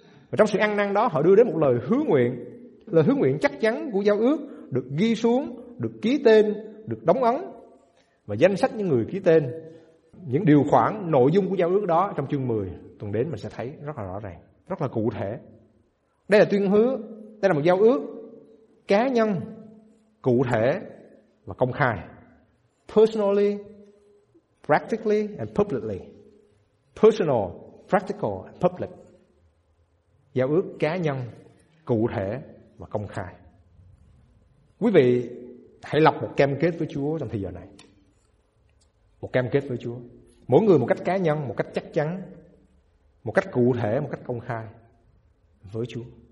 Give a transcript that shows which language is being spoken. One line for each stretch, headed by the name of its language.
Vietnamese: Và trong sự ăn năn đó, họ đưa đến một lời hứa nguyện. Lời hứa nguyện chắc chắn của giao ước được ghi xuống, được ký tên, được đóng ấn. Và danh sách những người ký tên, những điều khoản, nội dung của giao ước đó trong chương 10 tuần đến mình sẽ thấy rất là rõ ràng, rất là cụ thể. Đây là tuyên hứa, đây là một giao ước cá nhân, cụ thể và công khai.
English: Personally, practically and publicly. Personal, practical and public.
Vietnamese: Giao ước cá nhân, cụ thể và công khai. Quý vị hãy lập một cam kết với Chúa trong thời giờ này. Một cam kết với Chúa. Mỗi người một cách cá nhân, một cách chắc chắn, một cách cụ thể, một cách công khai với Chúa.